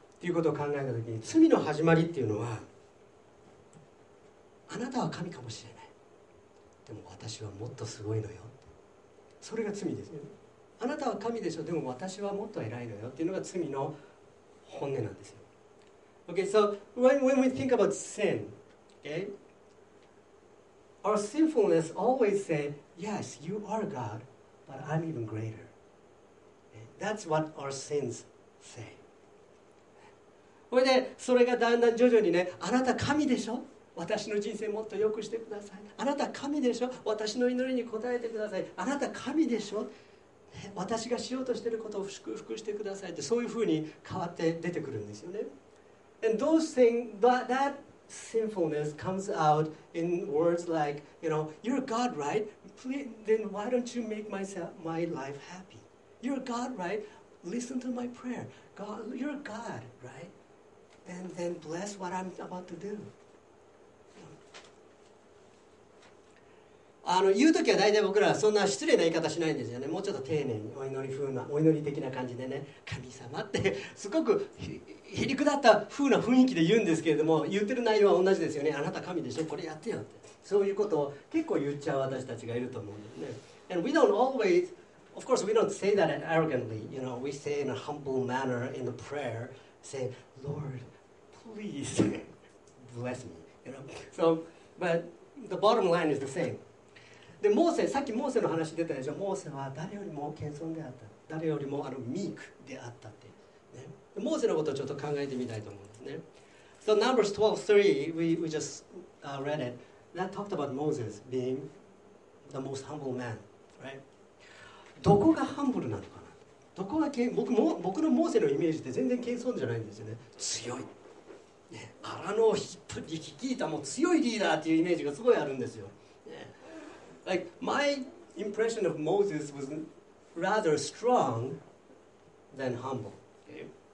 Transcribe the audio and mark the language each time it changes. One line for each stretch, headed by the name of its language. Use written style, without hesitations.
Japanese: ということを考えたときに、罪の始まりっていうのは、あなたは神かもしれない。でも私はもっとすごいのよ。それが罪ですよ。あなたは神でしょ、でも私はもっと偉いのよっていうのが罪の本音なんですよ。
English: Okay, so when we think about sin, okay, our sinfulness always say, yes, you are God, but I'm even greater. That's what our sins say.
Japanese: これでそれがだんだん徐々にね、あなた神でしょ、私の人生もっと良くしてください、あなた神でしょ、私の祈りに応えてください、あなた神でしょ、私がしようとしていることを祝福してくださいって、そういうふうに変わって出てくるんですよね。
English: And those things, that sinfulness comes out in words like, you know, you're God, right? Please, then why don't you make my life happy? You're God, right? Listen to my prayer. God, you're God, right? And then bless what I'm about to do.
Japanese: あの言うときは大体僕らはそんな失礼な言い方しないんですよね。もうちょっと丁寧にお祈り風な、お祈り的な感じでね、神様ってすごくへり下った風な雰囲気で言うんですけれども、言ってる内容は同じですよね。あなた神でしょ、これやってよって、そういうことを結構言っちゃう私たちがいると思うんですね。
English: And we don't always, of course we don't say that arrogantly, you know, we say in a humble manner in the prayer,Say, Lord, please bless me. You know? So, but the bottom line is the same.
Japanese: で、モーセ、さっきモーセの話出たでしょ。モーセは誰よりも謙遜であった。誰よりもミークであったって、ね。で、モーセのことをちょっと考えてみたいと思うんですね。
English: So, Numbers 12:3, we just read it. That talked about Moses being the most humble man, right?
Japanese: どこがハンブルなのか。どこが僕のモーセのイメージって全然謙遜じゃないんですよね。強い、ね、荒野を引っ張り引いたもう強いリーダーっていうイメージがすごいあるんですよ、
English: ね、Like my impression of Moses was rather strong than humble、okay?